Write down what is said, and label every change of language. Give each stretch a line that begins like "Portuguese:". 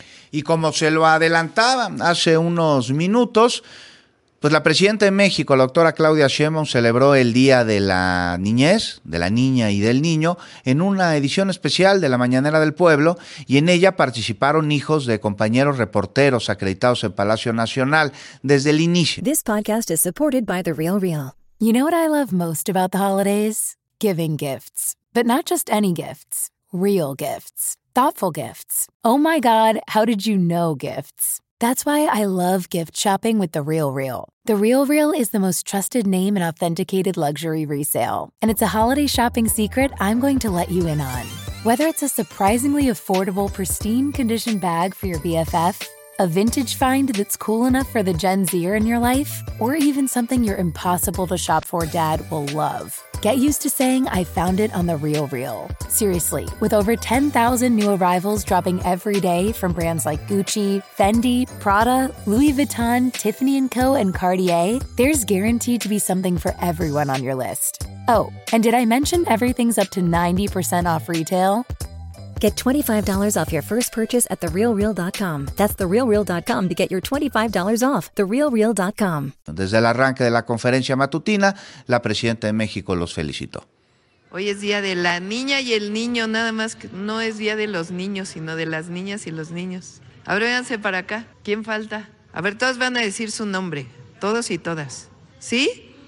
Spanish: Y como se lo adelantaba hace unos minutos, pues la presidenta de México, la doctora Claudia Sheinbaum, celebró el Día de la Niñez, de la Niña y del Niño, en una edición especial de La Mañanera del Pueblo, y en ella participaron hijos de compañeros reporteros acreditados en Palacio Nacional desde el inicio.
English: This podcast is supported by The Real Real. You know what I love most about the holidays? Giving gifts. But not just any gifts. Real gifts. Thoughtful gifts. Oh my God, how did you know gifts? That's why I love gift shopping with The Real Real. The Real Real is the most trusted name in authenticated luxury resale. And it's a holiday shopping secret I'm going to let you in on. Whether it's a surprisingly affordable, pristine condition bag for your BFF, a vintage find that's cool enough for the Gen Zer in your life, or even something your impossible to shop for dad will love. Get used to saying, I found it on The Real Real. Seriously, with over 10,000 new arrivals dropping every day from brands like Gucci, Fendi, Prada, Louis Vuitton, Tiffany & Co., and Cartier, there's guaranteed to be something for everyone on your list. Oh, and did I mention everything's up to 90% off retail? Get $25 off your first purchase at TheRealReal.com. That's TheRealReal.com to get your $25 off. TheRealReal.com.
Spanish: Desde el arranque de la conferencia matutina, la presidenta de México los felicitó. Hoy es Día de la Niña y el Niño, nada más que no es Día de los Niños, sino de las niñas y los niños. A ver, véanse para acá. ¿Quién falta? A ver, todos van a decir su nombre. Todos y todas. ¿Sí?